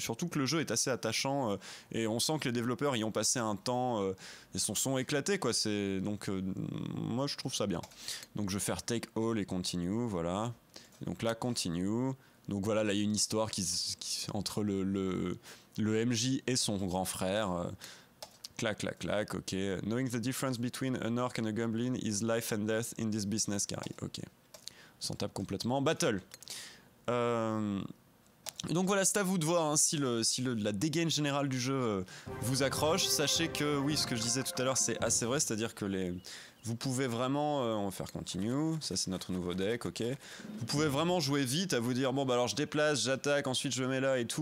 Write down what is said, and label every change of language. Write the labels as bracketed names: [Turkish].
[French] Surtout que le jeu est assez attachant et on sent que les développeurs y ont passé un temps... Et son son éclaté, quoi. C'est donc moi je trouve ça bien. Donc je vais faire [English] take all [French] et continue. Voilà, et donc là continue. Donc voilà, là il y a une histoire qui entre le MJ et son grand frère. Clac, clac, clac, ok. [English] Knowing the difference between an orc and a goblin is life and death in this business, Gary. [French] Ok. On s'en tape complètement. Battle. Donc voilà, c'est à vous de voir hein, si la dégaine générale du jeu vous accroche. Sachez que, oui, ce que je disais tout à l'heure, c'est assez vrai, c'est-à-dire que les... Vous pouvez vraiment, on va faire continue, ça c'est notre nouveau deck, ok. Vous pouvez vraiment jouer vite à vous dire, bon bah alors je déplace, j'attaque, ensuite je mets là et tout.